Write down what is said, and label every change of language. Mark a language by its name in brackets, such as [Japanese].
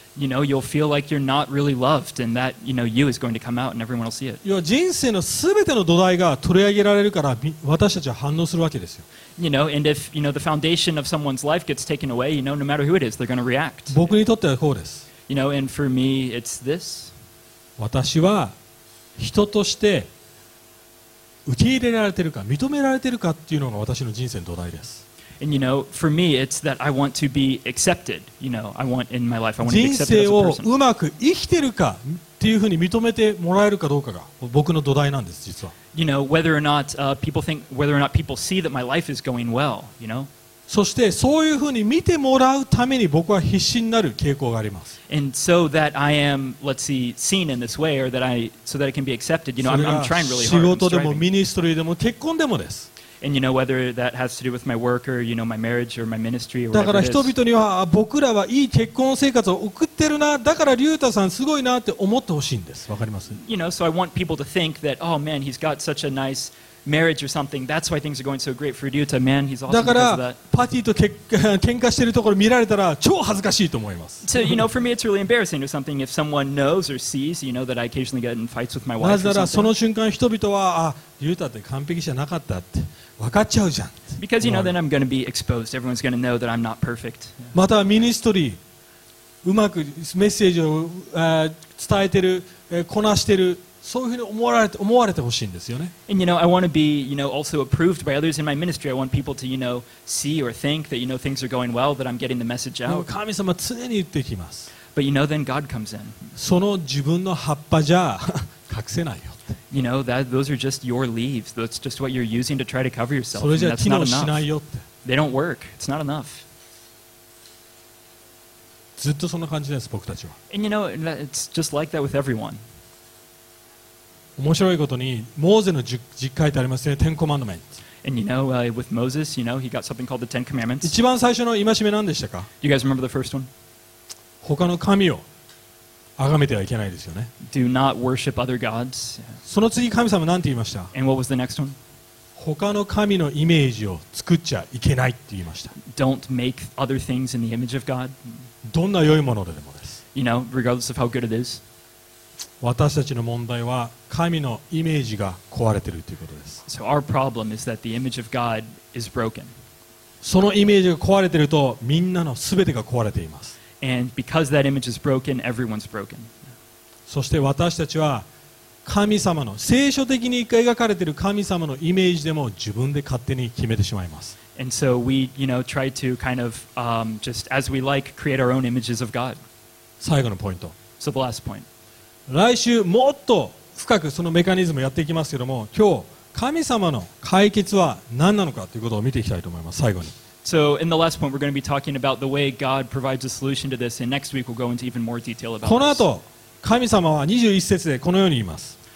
[English] You know, you'll feel like you're not really loved and that, you know, you is going to come out and everyone will see it. [Japanese] 人生の全ての土台が取り上げられるから私たちは反応するわけですよ。 [English] You know, and if, you know, the foundation of someone's life gets taken away, you know, no matter who it is, they're going to react. [Japanese] 僕にとってはこうです。 [English] You know, and for me, it's this. [Japanese] 私は人として受け入れられてるか認められてるかっていうのが私の人生の土台です。 [English] And you know, for me, it's that I want to be accepted. You know, I want in my life, I want to be accepted as a person. [Japanese] 人生をうまく生きてるかっていうふうに認めてもらえるかどうかが僕の土台なんです、実は。 [English] You know, whether or not people think, whether or not people see that my life is going well, you know. [Japanese] そしてそういうふうに見てもらうために僕は必死になる傾向があります。 [English] And so that I am, let's see, seen in this way, or that I, so that I can be accepted. You know, I'm trying really hard. [Japanese] 仕事でもミニストリーでも結婚でもです。 [English] And you know, whether that has to do with my work or, you know, my marriage or my ministry or whatever it is. [Japanese] だから人々には、僕らはいい結婚生活を送ってるな、だからリュウタさんすごいなって思ってほしいんです。わかります? [English] You know, so I want people to think that, oh man, he's got such a nice marriage or something. That's why things are going so great for Ryuta. Man, he's awesome because of that. [Japanese] だからパティと喧嘩してるところ見られたら超恥ずかしいと思います。 [English] So, you know, for me, it's really embarrassing or something if someone knows or sees, you know, that I occasionally get in fights with my wife or something. [Japanese] なぜならその瞬間人々は、あ、リュウタって完璧じゃなかったって。分かっちゃうじゃん。 [English] Because you know then I'm going to be exposed. Everyone's going to know that I'm not perfect. [Japanese] またミニストリーうまくメッセージを伝えてる、こなしてる、そういうふうに思われてほしいんですよね。 [English] And you know I want to be you know also approved by others in my ministry. I want people to you know see or think that you know things are going well, that I'm getting the message out. [Japanese] 神様常に言ってきます。 [English] But you know then God comes in. [Japanese] その自分の葉っぱじゃ隠せないよ。 [English] You know, that, those are just your leaves. That's just what you're using to try to cover yourself. [Japanese] それじゃ機能しないよって。 [English] They don't work. It's not enough. [Japanese] ずっとそんな感じです、僕たちは。 [English] And you know, it's just like that with everyone. [Japanese] 面白いことに、モーゼの実会ってありますね、Ten Commandments。 [English] And you know, with Moses, you know, he got something called the Ten Commandments. [Japanese] 一番最初の戒め何でしたか? [English] Do you guys remember the first one? [Japanese] 他の神を。崇めてはいけないですよね。 [English] Do not worship other gods. [Japanese] その次神様なんて言いました? [English] And what was the next one? [Japanese] 他の神のイメージを作っちゃいけないって言いました。 [English] Don't make other things in the image of God. [Japanese] どんな良いものでもです。 [English] You know, regardless of how good it is. [Japanese] 私たちの問題は神のイメージが壊れているということです。 [English] So our problem is that the image of God is broken. [Japanese] そのイメージが壊れているとみんなの全てが壊れています。 [English] And because that image is broken, everyone's broken. [Japanese] そして私たちは神様の聖書的に描かれている神様のイメージでも自分で勝手に決めてしまいます。 [English] And so we, you know, try to kind of just as we like create our own images of God. [Japanese] 最後のポイント。 [English] So the last point. [Japanese] 来週もっと深くそのメカニズムをやっていきますけども、今日神様の解決は何なのかということを見ていきたいと思います。最後に。 [English] So in the last point, we're going to be talking about the way God provides a solution to this, and next week we'll go into even more detail about [Japanese] この後、神様は21節でこのように言います。